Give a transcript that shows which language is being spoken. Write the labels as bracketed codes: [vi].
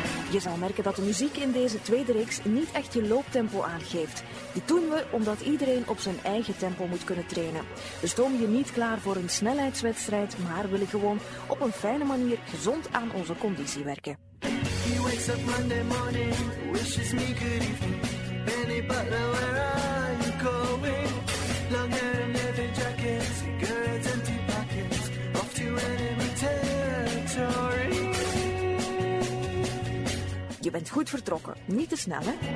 [nl] Je zal merken dat de muziek in deze tweede reeks niet echt je looptempo aangeeft. Dit doen we omdat iedereen op zijn eigen tempo moet kunnen trainen. We stomen je niet klaar voor een snelheidswedstrijd, maar willen gewoon op een fijne manier gezond aan onze conditie werken. [en] He wakes up Monday morning, wishes me good evening. Benny Butler, where are you going? Long hair and leather jackets, cigarettes, empty pockets, off to enemy territory. [nl] Je bent goed vertrokken, niet te snel, hè?